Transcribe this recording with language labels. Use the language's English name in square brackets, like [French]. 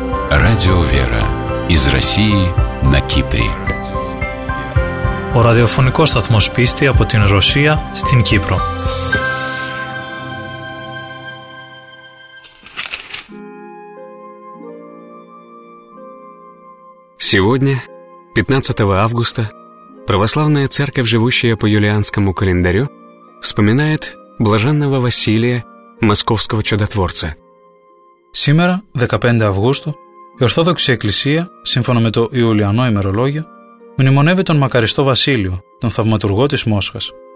[Russian] Радио «Вера» из России на Кипре. [Greek] Ο ραδιοφωνικός σταθμός πίστη από την Ρωσία στην Κύπρο. [Russian] Сегодня, 15 августа, православная церковь, живущая по юлианскому календарю, вспоминает блаженного Василия, московского чудотворца. Сегодня, 15 августа, [Greek] η Ορθόδοξη Εκκλησία, σύμφωνα με το Ιουλιανό ημερολόγιο, μνημονεύει τον μακαριστό Βασίλειο, τον θαυματουργό της Μόσχας.